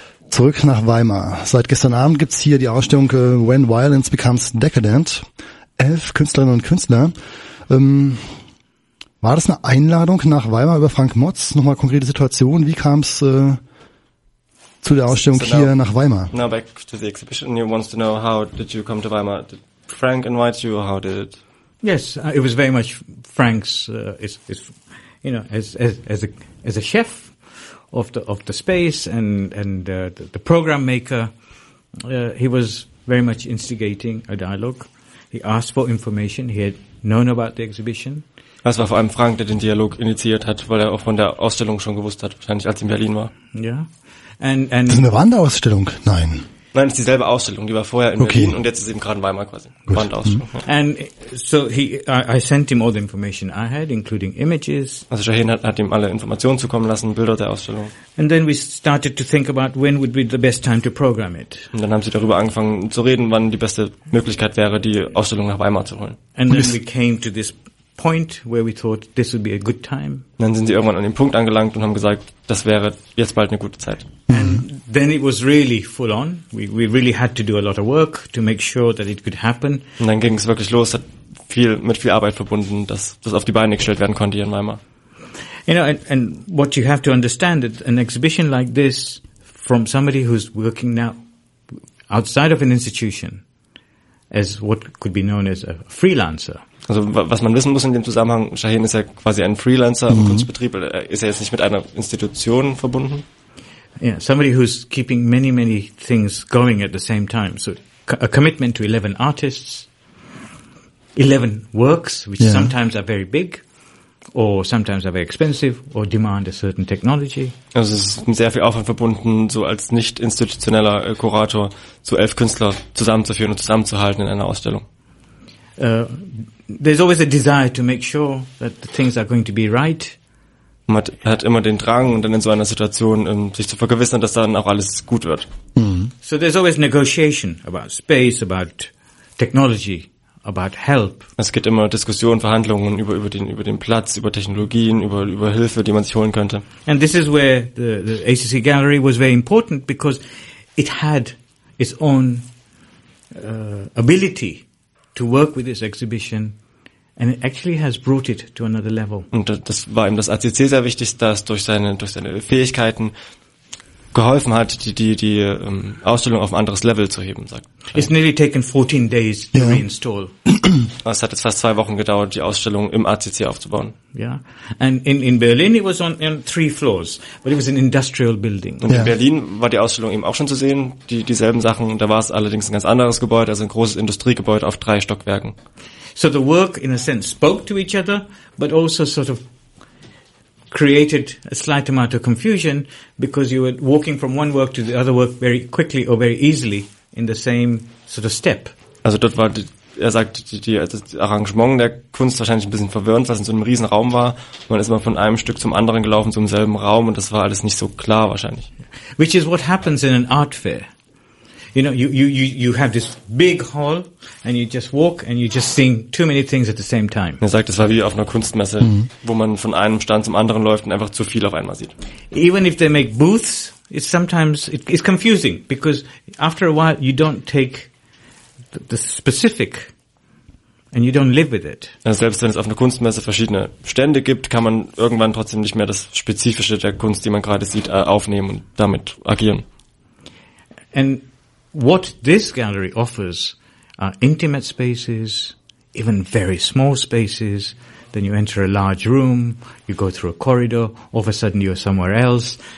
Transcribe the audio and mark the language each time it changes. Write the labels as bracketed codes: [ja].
[de] Zurück nach Weimar. Seit gestern Abend gibt's hier die Ausstellung When Violence Becomes Decadent. 11 Künstlerinnen und Künstler. War das eine Einladung nach Weimar über Frank Motz? Nochmal konkrete Situation. Wie kam's zu der Ausstellung hier nach Weimar. [en] Now back to the exhibition. He wants to know, how did you come to Weimar? Did Frank invite you, or how did it? Yes, it was very much Frank's, as a chef of the space and the program maker. He was very much instigating a dialogue. He asked for information. He had known about the exhibition. [de] Das war vor allem Frank, der den Dialog initiiert hat, weil er auch von der Ausstellung schon gewusst hat, wahrscheinlich als er in Berlin war. Ja. And das ist eine Wanderausstellung? Nein. Nein, es ist dieselbe Ausstellung, die war vorher in Berlin und jetzt ist eben gerade in Weimar quasi. Gut. Wanderausstellung. Mhm. [en] Ja. And so I sent him all the information I had, including images. [de] Also Shahin hat ihm alle Informationen zukommen lassen, Bilder der Ausstellung. [en] And then we started to think about when would be the best time to program it. [de] Und dann haben sie darüber angefangen zu reden, wann die beste Möglichkeit wäre, die Ausstellung nach Weimar zu holen. [en] And then we came to this point where we thought this would be a good time. [de] Dann sind sie irgendwann an den Punkt angelangt und haben gesagt, das wäre jetzt bald eine gute Zeit. [en] And then it was really full on. We really had to do a lot of work to make sure that it could happen. [de] Und dann ging es wirklich los, hat mit viel Arbeit verbunden, dass das auf die Beine gestellt werden konnte hier in Weimar. [en] You know, and what you have to understand is an exhibition like this from somebody who's working now outside of an institution as what could be known as a freelancer. [de] Also was man wissen muss in dem Zusammenhang, Shahin ist ja quasi ein Freelancer im Kunstbetrieb, ist er jetzt nicht mit einer Institution verbunden? [en] Yeah, somebody who's keeping many, many things going at the same time. So a commitment to 11 artists, 11 works, which sometimes are very big, or sometimes are very expensive, or demand a certain technology. [de] Also es ist mit sehr viel Aufwand verbunden, so als nicht-institutioneller Kurator so 11 Künstler zusammenzuführen und zusammenzuhalten in einer Ausstellung. [en] There's always a desire to make sure that the things are going to be right. [de] Man hat immer den Drang, dann in so einer Situation sich zu vergewissern, dass dann auch alles gut wird. Mm-hmm. [en] So there's always negotiation about space, about technology, about help. [de] Es gibt immer Diskussionen, Verhandlungen über den Platz, über Technologien, über Hilfe, die man sich holen könnte. [en] And this is where the ACC Gallery was very important, because it had its own ability to work with this exhibition, and it actually has brought it to another level. [de] Und das war ihm das ACC sehr wichtig, dass durch seine Fähigkeiten geholfen hat, die Ausstellung auf ein anderes Level zu heben, sagt. [en] It's nearly taken 14 days to reinstall. [de] Es hat jetzt fast 2 Wochen gedauert, die Ausstellung im ACC aufzubauen. [en] Yeah, and in Berlin it was on 3 floors, but it was an industrial building. [de] Und in Berlin war die Ausstellung eben auch schon zu sehen, dieselben Sachen. Da war es allerdings ein ganz anderes Gebäude, also ein großes Industriegebäude auf 3 Stockwerken. [en] So the work in a sense spoke to each other, but also sort of created a slight amount of confusion, because you were walking from one work to the other work very quickly or very easily in the same sort of step. [de] Also dort war das Arrangement der Kunst wahrscheinlich ein bisschen verwirrend, weil es in so einem riesen Raum war. Man ist immer von einem Stück zum anderen gelaufen, zum selben Raum, und das war alles nicht so klar wahrscheinlich. [en] Which is what happens in an art fair. You know, you have this big hall and you just walk and you just seeing too many things at the same time. [de] Er sagt, es war wie auf einer Kunstmesse, wo man von einem Stand zum anderen läuft und einfach zu viel auf einmal sieht. [en] Even if they make booths, it's sometimes it's confusing, because after a while you don't take the specific and you don't live with it. [de] Also selbst wenn es auf einer Kunstmesse verschiedene Stände gibt, kann man irgendwann trotzdem nicht mehr das Spezifische der Kunst, die man gerade sieht, aufnehmen und damit agieren. [en] And what this gallery offers are intimate spaces, even very small spaces. Then you enter a large room, you go through a corridor, all of a sudden you're somewhere else.